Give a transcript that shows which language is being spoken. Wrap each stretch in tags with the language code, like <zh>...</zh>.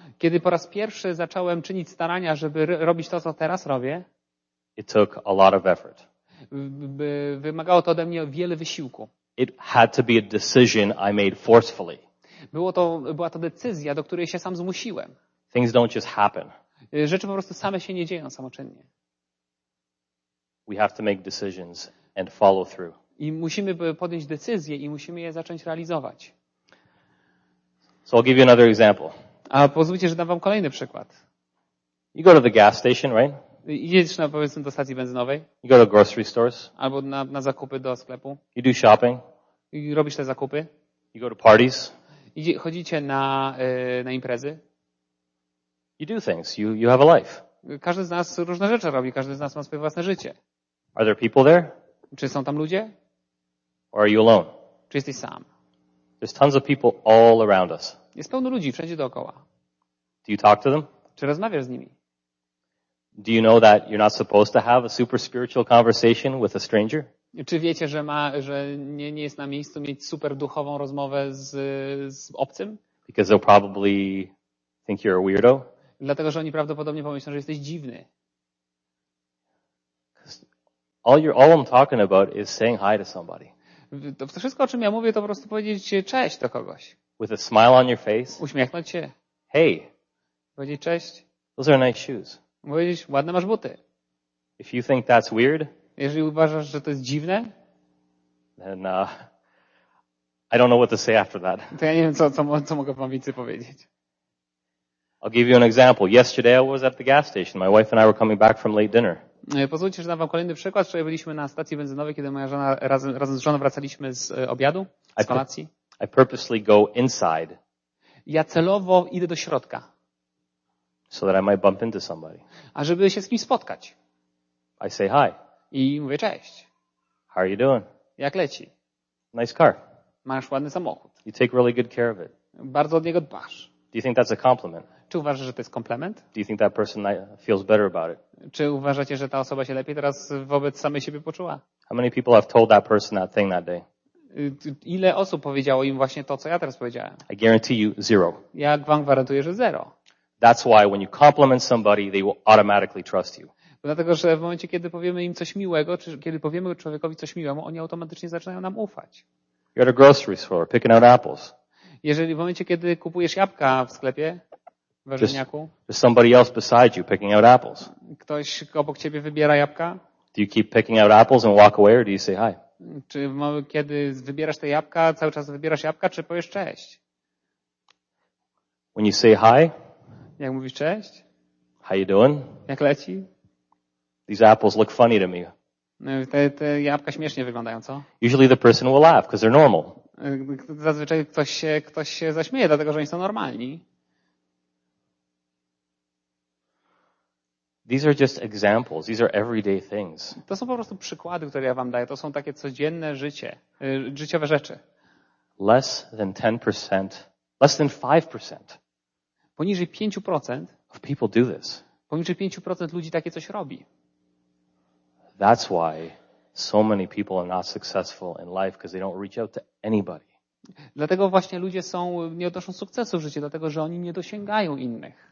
<pl>Kiedy po raz pierwszy zacząłem czynić starania, żeby robić to, co teraz robię.</pl> <en>It took a lot of effort.</en> <pl>Wymagało to ode mnie wiele wysiłku.</pl> <en>It had to be a decision I made forcefully.</en> <pl>Była to decyzja, do której się sam zmusiłem.</pl> <en>Things don't just happen.</en> <pl>Rzeczy po prostu same się nie dzieją samoczynnie.</pl> <en>We have to make decisions and follow through.</en> <pl>I musimy podjąć decyzje i musimy je zacząć realizować.</pl> <en>So I'll give you another example.</en> <pl>A pozwólcie, że dam wam kolejny przykład.</pl> <en>You go to the gas station, right?</en> <pl>Idziesz na, powiedzmy, do stacji benzynowej.</pl> <en>You go to grocery stores.</en> <pl>Albo na zakupy do sklepu.</pl> <en>You do shopping.</en> <pl>I robisz te zakupy.</pl> <en>You go to parties.</en> <pl>Chodzicie na imprezy.</pl> <en>You do things. You have a life.</en> <pl>Każdy z nas różne rzeczy robi. Każdy z nas ma swoje własne życie.</pl> <en>Are there people there?</en> <pl>Czy są tam ludzie?</pl> <en>Or are you alone?</en> <pl>Czy jesteś sam?</pl> <en>There's tons of people all around us.</en> <pl>Jest pełno ludzi wszędzie dookoła.</pl> <en>Do you talk to them?</en> <pl>Czy rozmawiasz z nimi?</pl> <en>Do you know that you're not supposed to have a super spiritual conversation with a stranger?</en> <pl>Czy wiecie, że nie jest na miejscu mieć super duchową rozmowę z obcym?</pl> <en>Because they'll probably think you're a weirdo.</en> <pl>Dlatego, że oni prawdopodobnie pomyślą, że jesteś dziwny.</pl> <en>All I'm talking about is saying hi to somebody.</en> <pl>To wszystko, o czym ja mówię, to po prostu powiedzieć cześć do kogoś.</pl> <en>With a smile on your face.</en> <pl>Uśmiechnąć się.</pl> <en>Hey.</en> <pl>Powiedzieć cześć.</pl> <en>Those are nice shoes.</en> <pl>Mówisz, ładne masz buty.</pl> <en>If you think that's weird,</en> <pl>jeżeli uważasz, że to jest dziwne,</pl> <en>then, I don't know what to say after that.</en> <pl>To ja nie wiem, co mogę wam więcej powiedzieć.</pl> <en>I'll give you an example. Yesterday I was at the gas station. My wife and I were coming back from late dinner.</en> <pl>Pozwólcie, że dam wam kolejny przykład. Wczoraj byliśmy na stacji benzynowej, kiedy moja żona razem z żoną wracaliśmy z obiadu, z kolacji.</pl> <en>I purposely go inside.</en> <pl>Ja celowo idę do środka.</pl> <en>So that I might bump into somebody.</en> <pl>A żeby się z kimś spotkać.</pl> <en>I say hi.</en> <pl>I mówię cześć.</pl> <en>How are you doing?</en> <pl>Jak leci?</pl> <en>Nice car.</en> <pl>Masz ładny samochód.</pl> <en>You take really good care of it.</en> <pl>Bardzo od niego dbasz.</pl> <en>Do you think that's a compliment?</en> <pl>Czy uważasz, że to jest komplement?</pl> <en>Do you think that person feels better about it?</en> <pl>Czy uważacie, że ta osoba się lepiej teraz wobec samej siebie poczuła?</pl> <en>How many people have told that person that thing that day?</en> <pl>Ile osób powiedziało im właśnie to, co ja teraz powiedziałem?</pl> <en>I guarantee you zero.</en> <pl>Ja wam gwarantuję, że zero.</pl> <en>That's why when you compliment somebody, they will automatically trust you.</en> <pl>Dlatego, że w momencie, kiedy powiemy im coś miłego, czy kiedy powiemy człowiekowi coś miłego, oni automatycznie zaczynają nam ufać.</pl> <en>You're at a grocery store picking out apples.</en> <pl>Jeżeli w momencie, kiedy kupujesz jabłka w sklepie, w warzywniaku,</pl> <en>there's somebody else beside you picking out apples.</en> <pl>Ktoś obok ciebie wybiera jabłka.</pl> <en>Do you keep picking out apples and walk away, or do you say hi?</en> <pl>Czy kiedy wybierasz te jabłka, cały czas wybierasz jabłka, czy powiesz cześć?</pl> <en>When you say hi.</en> <pl>Jak mówisz cześć?</pl> <en>How you doing?</en> <pl>Jak leci?</pl> <en>These apples look funny to me.</en> <pl>No, te jabłka śmiesznie wyglądają, co?</pl> <en>Usually the person will laugh, because they're normal.</en> <pl>Zazwyczaj ktoś się zaśmieje, dlatego że oni są normalni.</pl> <en>These are just examples. These are everyday things.</en> <pl>To są po prostu przykłady, które ja wam daję. To są takie codzienne życiowe rzeczy.</pl> <en>Less than 10%, less than 5%.</en> <pl>Poniżej 5%</pl> <en>of people do this.</en> <pl>Poniżej 5% ludzi takie coś robi.</pl> <en>That's why So many people are not successful in life because they don't reach out to anybody.</en> <pl>Dlatego właśnie ludzie są nie odnoszą sukcesu w życiu, dlatego że oni nie dosięgają innych.</pl>